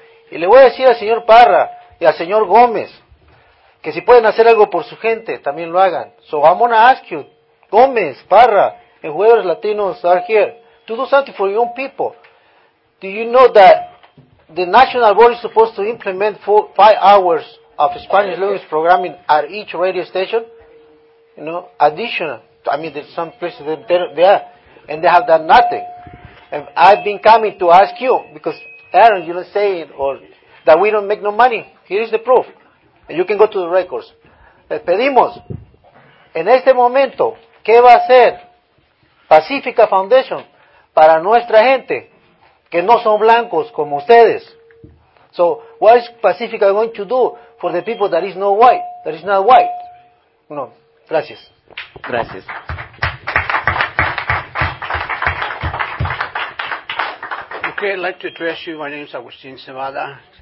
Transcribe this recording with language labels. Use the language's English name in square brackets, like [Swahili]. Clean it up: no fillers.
[Spanish] Y le voy a decir al señor Parra y al señor Gómez, que si pueden hacer algo por su gente, también lo hagan. [English] So I'm going to ask you, Gómez, Parra, and whoever Latinos are here, to do something for your own people. Do you know that the national board is supposed to implement 4-5 hours of Spanish language programming at each radio station? You know, additional. I mean, there's some places that they are, and they have done nothing. And I've been coming to ask you, because Aaron, you're not saying or that we don't make no money. Here is the proof. You can go to the records. [Spanish] Les pedimos, en este momento, ¿qué va a hacer Pacifica Foundation para nuestra gente, que no son blancos como ustedes? [English] So, what is Pacifica going to do for the people that is not white? That is not white? No. [Spanish] Gracias. Gracias. [English] Okay, I'd like to address you. My name is Agustin Cevada.